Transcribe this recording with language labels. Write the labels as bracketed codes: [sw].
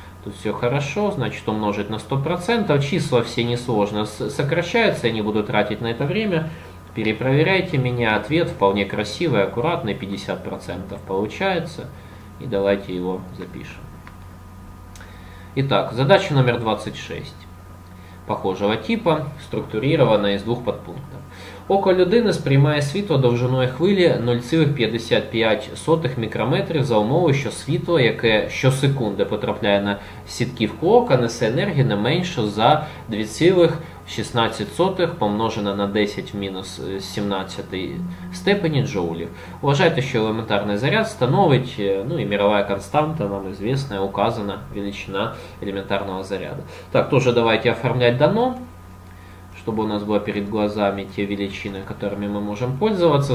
[ru] Тут все хорошо, значит, умножить на 100%, числа все несложно сокращаются, я не буду тратить на это время, перепроверяйте меня, ответ вполне красивый, аккуратный, 50% получается, и давайте его запишем. Итак, задача номер 26, похожего типа, структурирована из двух подпунктов. [uk] Око людини сприймає світло довжиною хвилі 0,55 мікрометрів за умови, що світло, яке щосекунди потрапляє на сітківку ока, несе енергію не менше за 2,8 [ru] 16 помножено на 10 в минус 17 степени джоулей. Уважайте, что элементарный заряд становит, ну и мировая константа нам известная, указана величина элементарного заряда. Так, тоже давайте оформлять дано, чтобы у нас было перед глазами те величины, которыми мы можем пользоваться.